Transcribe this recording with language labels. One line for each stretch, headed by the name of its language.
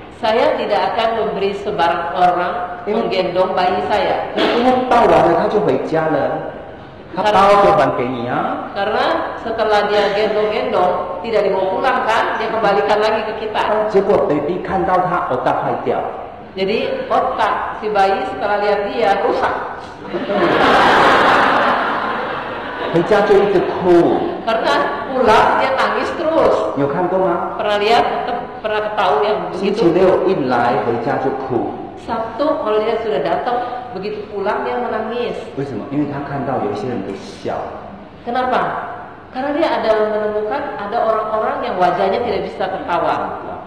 Indonesian: Saya tidak akan memberi sebarang orang menggendong bayi saya.
Chinese: 因为抱完了他就回家了，他抱就还给你啊。
Indonesian: Karena setelah dia gendong-gendong, tidak dibawa pulang kan, dia kembalikan lagi ke kita.
Chinese: 结果 baby 看到他otak坏掉。
Indonesian: Jadi otak si bayi setelah lihat dia rusak.
Chinese: 回家就一直哭。
Indonesian: Karena pulang dia nangis terus。
Chinese: 有看过吗
Indonesian: ？Pernah lihat atau pernah tahu yang begitu？
Chinese: 星期六一来回家就哭。
Indonesian: Sabtu kalau dia sudah datang begitu pulang dia menangis。
Chinese: 为什么？因为他看到有些人都笑。
Indonesian: Kenapa？ Karena dia ada menemukan ada orang-orang yang wajahnya tidak bisa tertawa。